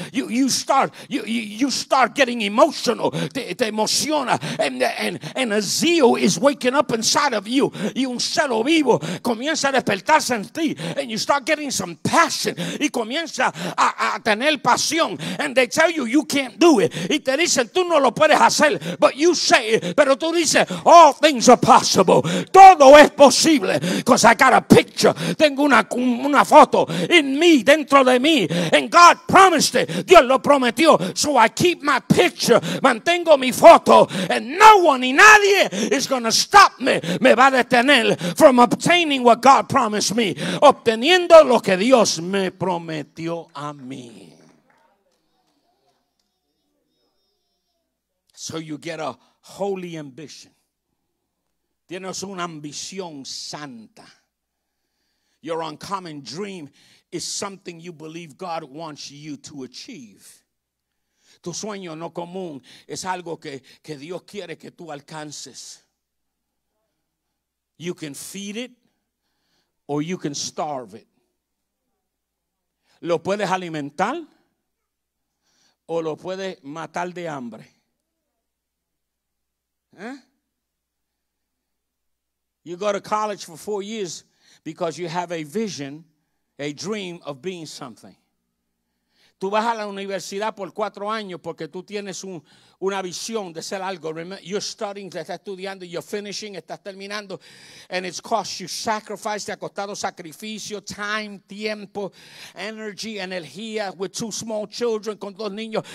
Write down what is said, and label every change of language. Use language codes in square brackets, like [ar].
[en] You start getting emotional, [es] te emociona, [en] and a zeal is waking up inside of you. [es] Y un celo vivo comienza a despertarse en ti, [en] and you start getting some passion, [es] y comienza a tener pasión. [en] And they tell you, you can't do it. [es] Y te dicen, tú no lo puedes hacer. [en] But you say it. [es] Pero tú dices, [en] all things are possible. [es] Todo es posible. [en] Because I got a picture. [es] Tengo una foto [en] in me, [es] dentro de mí. [en] And God promised it. [es] Dios lo prometió. [en] So I keep my picture. [es] Mantengo mi foto. [en] And no one, [es] ni nadie, [en] is going to stop me. [es] Me va a detener [en] from obtaining what God promised me. [es] Obteniendo lo que Dios me prometió a mí. [en] So you get a holy ambition. [es] Tienes una ambición santa. [en] Your uncommon dream is something you believe God wants you to achieve. [es] Tu sueño no común es algo que Dios quiere que tú alcances. [en] You can feed it or you can starve it. [es] ¿Lo puedes alimentar o lo puedes matar de hambre? ¿Eh? [en] You go to college for 4 years because you have a vision, a dream of being something. [es] Tú vas a la universidad por cuatro años porque tú tienes una visión de ser algo. [en] Remember, you're studying, [es] estás estudiando, [en] you're finishing, [es] estás terminando. [en] And it's cost you sacrifice, [es] te ha costado sacrificio, [en] time, tiempo, energy, energía, with two small children, [es] con dos niños.